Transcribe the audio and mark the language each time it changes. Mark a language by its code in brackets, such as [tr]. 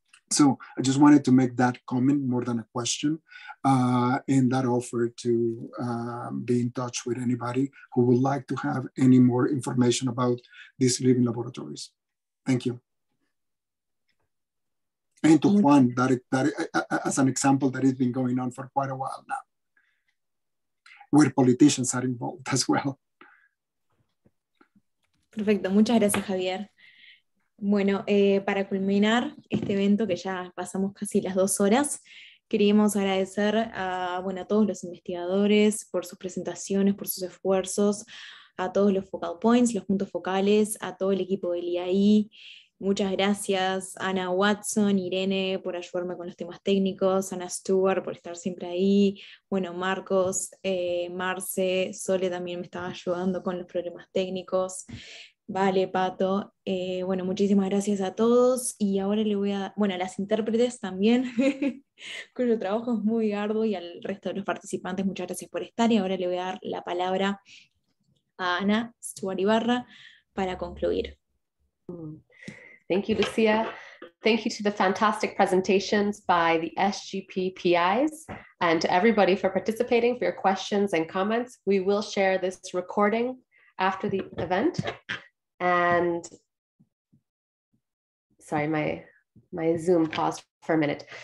[en] So I just wanted to make that comment more than a question and that offer to be in touch with anybody who would like to have any more information about these living laboratories. Thank you. And to Juan, that as an example that has been going on for quite a while now, where politicians are involved as well. [es] Perfecto, muchas gracias Javier. Bueno, para culminar este evento que ya pasamos casi las dos horas, queríamos agradecer a todos los investigadores por sus presentaciones, por sus esfuerzos, a todos los focal points, los puntos focales, a todo el equipo del IAI. Muchas gracias Ana Watson, Irene por ayudarme con los temas técnicos, Ana Stewart por estar siempre ahí, bueno Marcos, Marce, Sole también me estaba ayudando con los problemas técnicos, Vale, Pato, bueno muchísimas gracias a todos y ahora le voy a, bueno a las intérpretes también, cuyo trabajo es muy arduo y al resto de los participantes muchas gracias por estar y ahora le voy a dar la palabra a Ana Stewart Ibarra para concluir. [en] Thank you, Lucia. Thank you to the fantastic presentations by the SGP PIs and to everybody for participating, for your questions and comments. We will share this recording after the event. And sorry, my Zoom paused for a minute.